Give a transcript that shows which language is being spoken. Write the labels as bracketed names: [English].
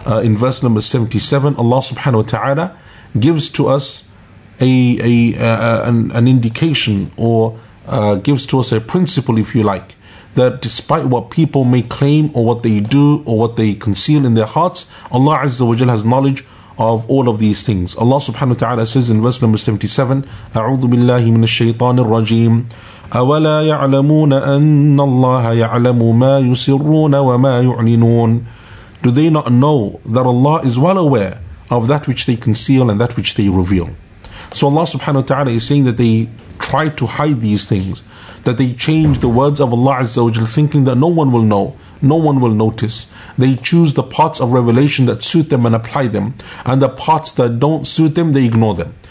[English] In verse number 77, Allah subhanahu wa ta'ala gives to us an indication, or gives to us a principle, if you like, that despite what people may claim or what they do or what they conceal in their hearts, Allah Azza wa Jal has knowledge of all of these things. Allah subhanahu wa ta'ala says in verse number 77, [Arabic] أعوذ بالله من الشيطان الرجيم أولا يعلمون أن الله يعلم ما يسرون وما يعلنون. [English] Do they not know that Allah is well aware of that which they conceal and that which they reveal? So Allah subhanahu wa ta'ala is saying that they try to hide these things, that they change the words of Allah Azza wa Jal, thinking that no one will know, no one will notice. They choose the parts of revelation that suit them and apply them, and the parts that don't suit them, they ignore them.